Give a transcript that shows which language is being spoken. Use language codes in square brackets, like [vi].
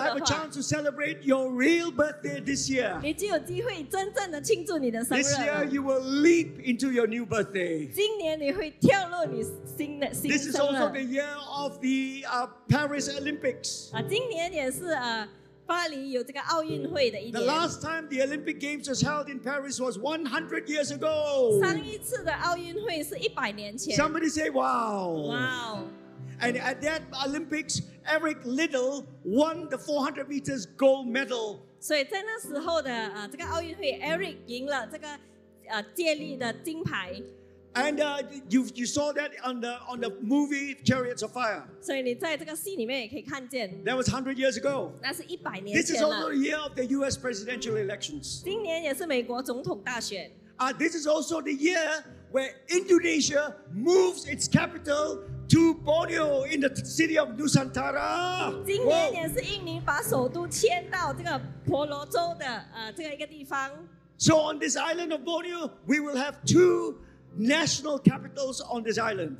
[en] you will have a chance to celebrate your real birthday this year. [zh] 你就有机会真正的庆祝你的生日了. [en] This year you will leap into your new birthday. [zh] 今年你会跳入你新的, [en] this is also the year of the Paris Olympics. [zh] 今年也是, [en] the last time the Olympic Games was held in Paris was 100 years ago. Somebody say, wow. Wow. And at that Olympics, Eric Liddell won the 400 meters gold medal. So at that time, the Olympics, Eric won the 400 meters gold medal. And you saw that on the movie Chariots of Fire. So you [zh] 在这个戏里面也可以看见. [en] That was 100 years ago. [zh] 那是100年前了. [en] This is also the year of the U.S. presidential elections. [zh] 今年也是美国总统大选. [en] This is also the year where Indonesia moves its capital to Borneo in the city of Nusantara. [zh] 今年也是印尼把首都迁到这个婆罗洲的 这个一个地方. [en] So on this island of Borneo, we will have two national capitals on this island.